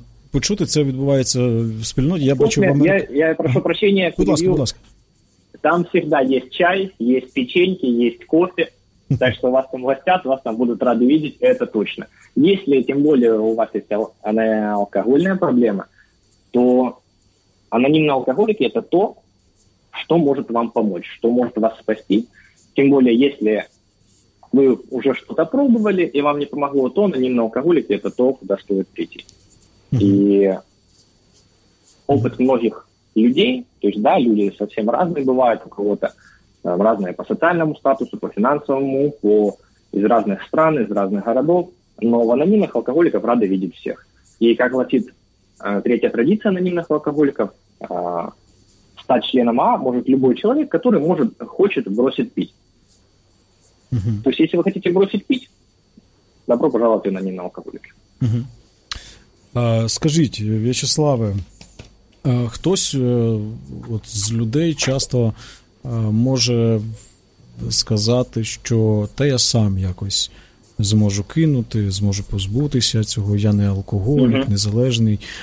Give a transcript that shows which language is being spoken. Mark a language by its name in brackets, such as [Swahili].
[Ukrainian] Почути, це відбувається в спільноті, я бачу [Russian] вам... Я прошу прощения, [Ukrainian] будь ласка. [Russian] Там всегда есть чай, есть печеньки, есть кофе, так что вас там гостят, вас там будут рады видеть, это точно. Если, тем более, у вас есть алкогольная проблема, то анонимные алкоголики – это то, что может вам помочь, что может вас спасти. Тем более, если вы уже что-то пробовали и вам не помогло, то анонимные алкоголики – это то, куда стоит прийти. И опыт многих людей, то есть, да, люди совсем разные бывают, у кого-то разные по социальному статусу, по финансовому, из разных стран, из разных городов. Но в анонимных алкоголиков рады видеть всех. И как гласит третья традиция анонимных алкоголиков, стать членом АА может любой человек, который может, хочет бросить пить. То есть, если вы хотите бросить пить, добро пожаловать в анонимные алкоголики. [Ukrainian] Скажите, Вячеславе, хтось з людей часто може сказати, що те я сам якось зможу кинути, зможу позбутися цього, я не алкоголік, незалежний.